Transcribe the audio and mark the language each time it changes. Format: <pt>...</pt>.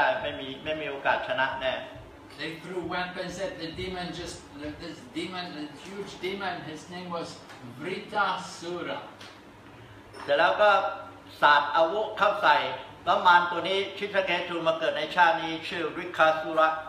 <th>พอรู้ว่าถ้าหากว่าไปลบกันไปสู้กันสู้ไม่ได้ไม่มีโอกาสชนะแน่</th> <en>They threw weapons at the demon, just this demon, a huge demon. His name was Vritasura.</en> <th>แต่แล้วก็สาดอาวุธเข้าใส่แล้วมารตัวนี้ชิตราเคตุมาเกิดในชาตินี้ชื่อวริคาสุระ</th>